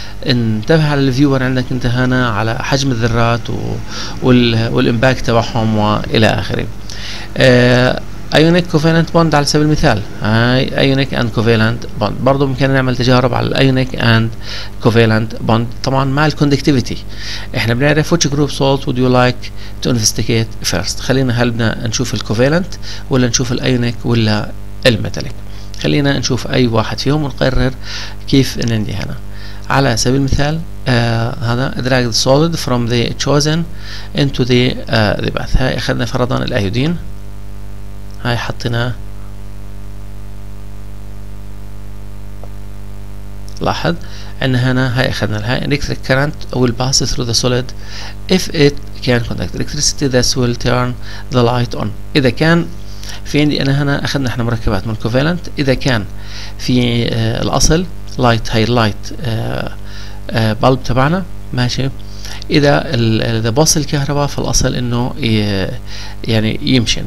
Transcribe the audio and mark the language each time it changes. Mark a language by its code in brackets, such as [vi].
[ar] انتبه على الفيور عندك أنت هنا على حجم الذرات والإمباكت تبعهم وإلى آخره. أيونيك كوفالنت بوند على سبيل المثال، هاي أيونيك أند كوفالنت بوند، برضه بإمكاننا نعمل تجارب على الأيونيك أند كوفالنت بوند طبعا مع الكوندكتيفيتي. إحنا بنعرف [en] which group salt would you like to investigate first. [ar] خلينا هل بدنا نشوف الكوفالنت ولا نشوف الأيونيك ولا الميتاليك، خلينا نشوف أي واحد فيهم ونقرر كيف نندي هنا. على سبيل المثال هذا [en] drag the solid from the chosen into the bath. [ar] هاي أخذنا فرضا الأيودين، هاي حطينا، لاحظ ان هنا هاي اخذنا الهاي [en] electric current will pass through the solid if it can conduct electricity that will turn the light on. [ar] اذا كان في عندي انا هنا اخذنا احنا مركبات من covalent، اذا كان في الاصل light هاي light bulb تبعنا ماشي، اذا اذا باص الكهرباء في الاصل انه يعني يمشي.